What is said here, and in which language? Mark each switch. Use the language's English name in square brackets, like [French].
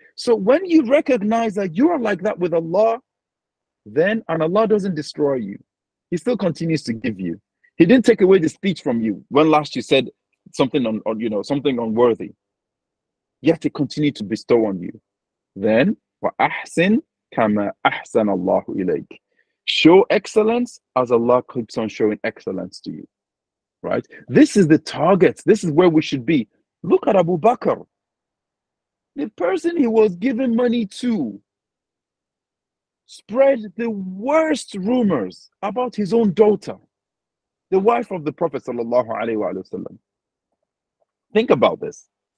[English] So when you recognize that you are like that with Allah, then, and Allah doesn't destroy you, He still continues to give you. He didn't take away the speech from you when last you said something something unworthy, yet He continued to bestow on you. Then, [Arabic] وَأَحْسِنْ كَمَا أَحْسَنَ اللَّهُ إِلَيْكَ. [English] Show excellence as Allah keeps on showing excellence to you. Right? This is the target. This is where we should be. Look at Abu Bakr. The person he was giving money to spread the worst rumors about his own daughter, the wife of the Prophet sallallahu alaihi wasallam. Think about this.